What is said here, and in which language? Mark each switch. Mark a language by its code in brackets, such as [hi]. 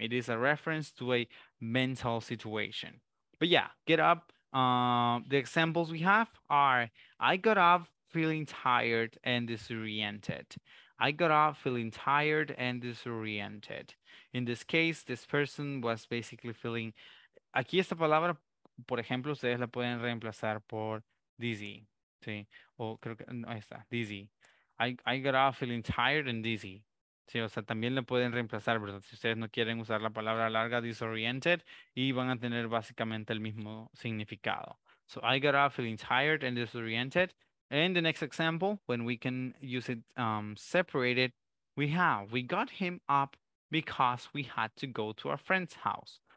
[en] It is a reference to a mental situation. But yeah, get up. The examples we have are, I got up feeling tired and disoriented. I got up feeling tired and disoriented. In this case, this person was basically feeling... [es] Aquí esta palabra, por ejemplo, ustedes la pueden reemplazar por dizzy, ¿sí? O creo que, no, ahí está, [en] dizzy. I got up feeling tired and dizzy. [es] Sí, o sea, también la pueden reemplazar, ¿verdad? Si ustedes no quieren usar la palabra larga, disoriented, y van a tener básicamente el mismo significado. [en] So, I got up feeling tired and disoriented. And the next example, when we can use it separated, we got him up because we had to go to a friend's house.